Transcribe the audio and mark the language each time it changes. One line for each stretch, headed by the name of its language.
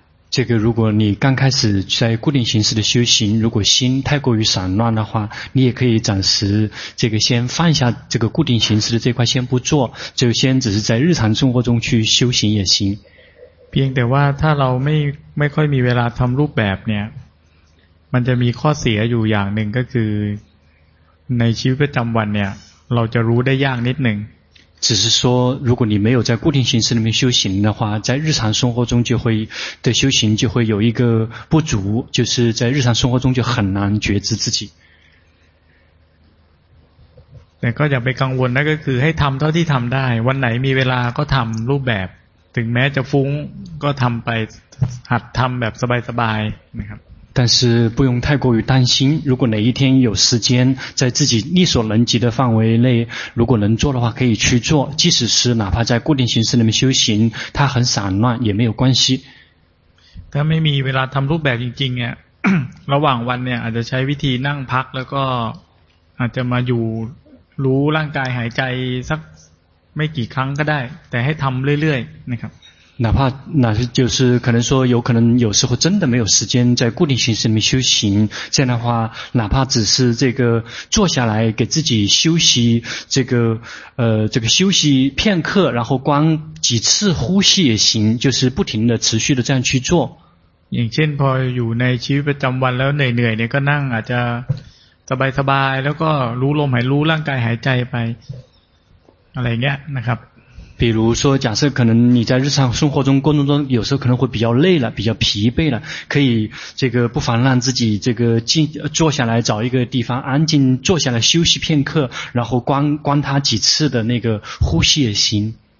Chinese: 这个如果你刚开始在固定形式的修行，如果心太过于散乱的话，你也可以暂时这个先放下这个固定形式的这块先不做，就先只是在日常生活中去修行也行。
Thai: เพียงแต่ว่าถ้าเราไม่ค่อยมีเวลาทำรูปแบบเนี่ยมันจะมีข้อเสียอยู่อย่างหนึ่งก็คือในชีวิตประจำวันเนี่ยเราจะรู้ได้ยากนิดหนึ่ง
Chinese: 只是说如果你没有在固定形式里面修行的话，在日常生活中就会的修行就会有一个不足，就是在日常生活中就很难觉知自己。
Thai: แต่ก็อย่าไปกังวลนะก็คือให้ทำเท่าที่ทำได้วันไหนมีเวลาก็ทำรูปแบบถึงแม้จะฟุ้งก็ทำไปหัดทำแบบสบายๆนะครับ
Chinese: 但是不用太过于担心，如果哪一天有时间，在自己力所能及的范围内，如果能做的话可以去做，即使是哪怕在固定形式里面修行，它很散乱也没有关系。但没有
Thai: เวลาทำรูปแบบจริงๆเนี่ยระหว่างวันเนี่ยอาจจะใช้วิธีนั่งพักแล้วก็อาจจะมาอยู่รู้ร่างกายหายใจสักไม่กี่ครั้งก็ได้แต่ให้ทำเรื่อยๆนะครับ
Chinese: 哪怕就是可能说有可能有时候真的没有时间在固定形式里面修行，这样的话哪怕只是这个坐下来给自己休息这个休息片刻，然后关几次呼吸也行，就是不停的持续的这样去做。
Thai: อย่างเช่นพออยู่ในชีวิตประจำวันแล้วเหนื่อยๆเนี่ยก็นั่งอาจจะสบายๆแล้วก็รู้ลมหายรู้ร่างกายหายใจไปอะไรเงี้ยนะครับ
Chinese: 比如说假设可能你在日常生活中过程中有时候可能会比较累了，比较疲惫了，可以这个不妨让自己这个坐下来，找一个地方安静坐下来休息片刻，然后关他几次的那个呼吸也行。